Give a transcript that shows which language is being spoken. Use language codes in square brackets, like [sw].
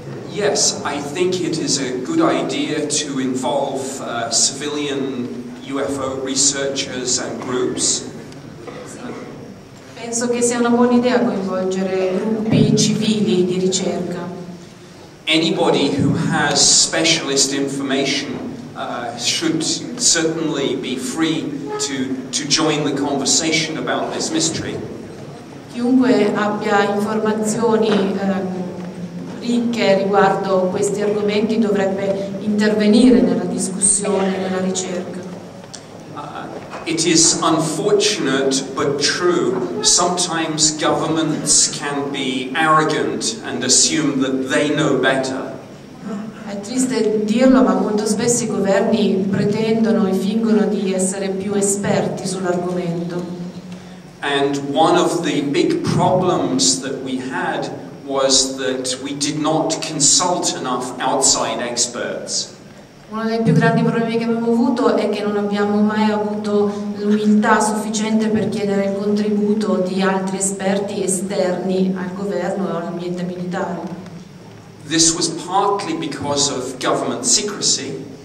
[en] Yes, I think it is a good idea to involve civilian UFO researchers and groups. [it] Penso che sia una buona idea coinvolgere gruppi civili di ricerca. [en] Anybody who has specialist information should certainly be free to join the conversation about this mystery. [it] Chiunque abbia informazioni che riguardo questi argomenti dovrebbe intervenire nella discussione, nella ricerca. [en] It is unfortunate but true. Sometimes governments can be arrogant and assume that they know better. [it] È triste dirlo, ma molto spesso i governi pretendono e fingono di essere più esperti sull'argomento. [en] And one of the big problems that we had was that we did not consult enough outside experts. [it] Uno dei più grandi problemi che abbiamo avuto è che non abbiamo mai avuto l'umiltà sufficiente per chiedere il contributo di altri esperti esterni al governo o all'ambiente militare. [en] This was partly because of government secrecy.